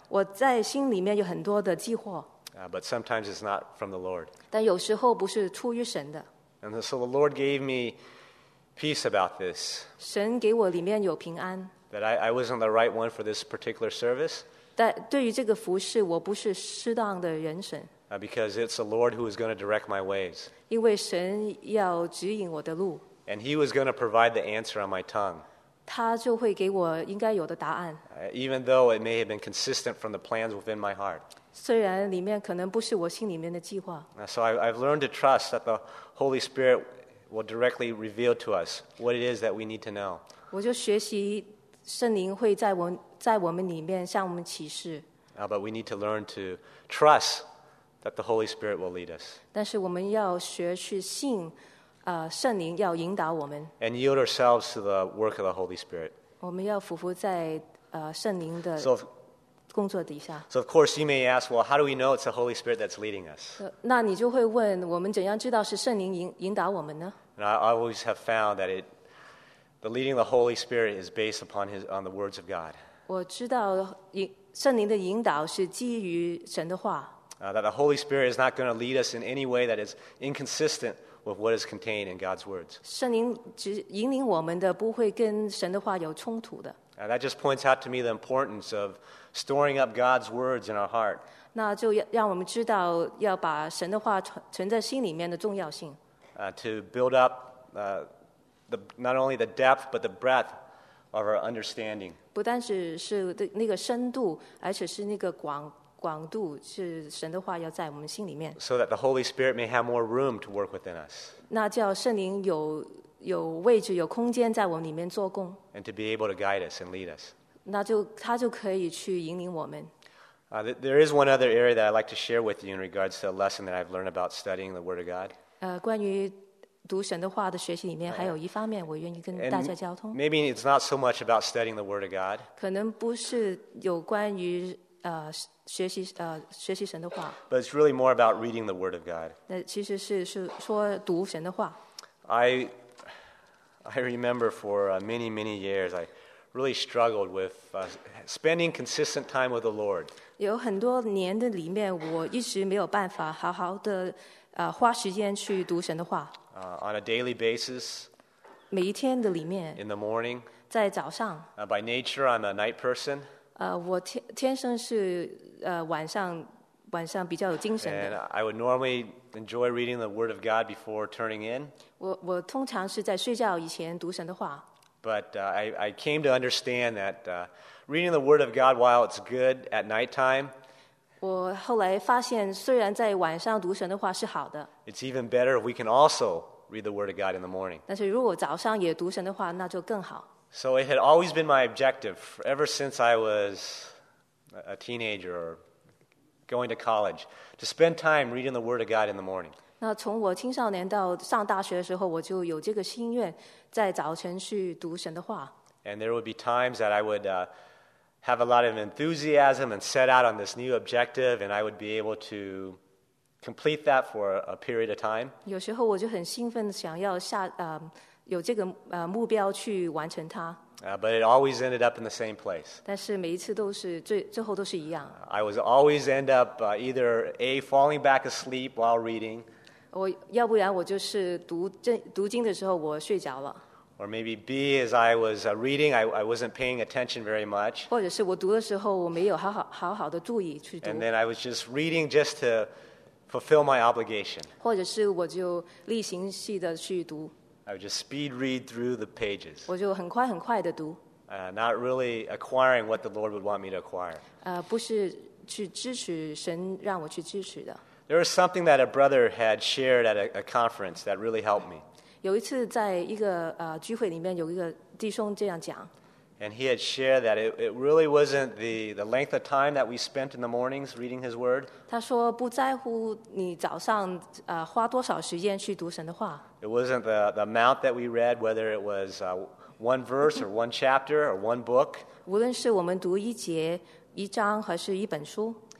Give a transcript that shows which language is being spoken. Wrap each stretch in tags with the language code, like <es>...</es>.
<zh>我在心里面有很多的计划。</zh> <en>But sometimes it's not from the Lord.</en> <zh>但有时候不是出于神的。</zh> <en>And so the Lord gave me peace about this.</en> <zh>神给我里面有平安。</zh> <en>That I wasn't the right one for this particular service.</en> <zh>但对于这个服事，我不是适当的人选。</zh> <en>Because it's the Lord who is going to direct my ways.</en> <zh>因为神要指引我的路。</zh> <en>And He was going to provide the answer on my tongue.</en> <zh>他就会给我应该有的答案。</zh> <en>Even though it may have been consistent from the plans within my heart.</en> <zh>虽然里面可能不是我心里面的计划。</zh> <en>So I've learned to trust that the Holy Spirit will directly reveal to us what it is that we need to know.</en> <zh>我就学习圣灵会在我们里面向我们启示。</zh> <en>But we need to learn to trust that the Holy Spirit will lead us.</en> <zh>但是我们要学去信圣灵要引导我们。</zh> <en>And yield ourselves to the work of the Holy Spirit.</en> <zh>我们要俯伏在圣灵的工作底下。</zh> <en>So of course you may ask, well, how do we know it's the Holy Spirit that's leading us?</en> <zh>那你就会问我们怎样知道是圣灵引导我们呢？</zh> <en>And I always have found that the leading of the Holy Spirit is based upon on the words of God.</en> <zh>我知道圣灵的引导是基于神的话。</zh> <en>That the Holy Spirit is not going to lead us in any way that is inconsistent with what is contained in God's words.</en> <zh>圣灵只引领我们的不会跟神的话有冲突的。</zh> <en>That just points out to me the importance of storing up God's words in our heart.</en> <zh>那就让我们知道要把神的话存在心里面的重要性。</zh> <en>To build up not only the depth but the breadth of our understanding.</en> <zh>不单只是那个深度，而且是那个广度，是神的话要在我们心里面。</zh> <en>So that the Holy Spirit may have more room to work within us.</en> <zh>那叫圣灵有位置，有空间在我们里面做工。</zh> <en>And to be able to guide us and lead us.</en> <zh>那就他就可以去引领我们。</zh> <en>There is one other area that I'd like to share with you in regards to a lesson that I've learned about studying the Word of God.</en> <zh>关于读神的话的学习里面，还有一方面，我愿意跟大家交通。</zh> <en>Maybe it's not so much about studying the Word of God.</en> <zh>可能不是有关于学习神的话。</zh> <en>But it's really more about reading the Word of God.</en> <zh>那其实是说读神的话。</zh> <en>I remember for many many years, I really struggled with spending consistent time with the Lord.</en> <zh>有很多年的里面，我一直没有办法好好的花时间去读神的话。</zh> <en>On a daily basis,</en> <zh>每一天的里面,</zh> <en>in the morning,</en> <zh>在早上,</zh> <en>by nature, I'm a night person.</en> <zh>我天生是晚上比较有精神的。</zh> <en>And I would normally enjoy reading the Word of God before turning in.</en> <zh>我通常是在睡觉以前读神的话。</zh> <en>But I came to understand that reading the Word of God while it's good at nighttime.</en> <zh>我后来发现，虽然在晚上读神的话是好的。</zh> <en>It's even better if we can also read the Word of God in the morning.</en> <zh>但是如果早上也读神的话，那就更好。</zh> <en>So it had always been my objective ever since I was a teenager or going to college to spend time reading the Word of God in the morning.</en> <zh>那从我青少年到上大学的时候，我就有这个心愿，在早晨去读神的话。</zh> <en>And there would be times that I would have a lot of enthusiasm and set out on this new objective, and I would be able to complete that for a period of time.</en> <zh>有时候我就很兴奋，想要下有这个目标去完成它。</zh> <en>But it always ended up in the same place.</en> <zh>但是每一次都是最后都是一样。</zh> <en>I was always end up either A, falling back asleep while reading.</en> <zh>我要不然我就是读经的时候我睡着了。</zh> <en>Or maybe B, as I was reading, I wasn't paying attention very much.</en> <zh>或者是我读的时候，我没有好好的注意去读。</zh> <en>And then I was just reading just to fulfill my obligation.</en> <zh>或者是我就例行性的去读。</zh> <en>I would just speed read through the pages.</en> <zh>我就很快很快的读。</zh> <en>Not really acquiring what the Lord would want me to acquire.</en> <zh>不是去支持神让我去支持的。</zh> <en>There was something that a brother had shared at a conference that really helped me.</en> <zh>有一次在一个聚会里面有一个弟兄这样讲。</zh> <en>And he had shared that it really wasn't the length of time that we spent in the mornings reading his word.</en> <zh>他说不在乎你早上花多少时间去读神的话。</zh> <en>It wasn't the amount that we read, whether it was one verse or one chapter or one book.</en> <zh>无论是我们读一节一章还是一本书。</zh>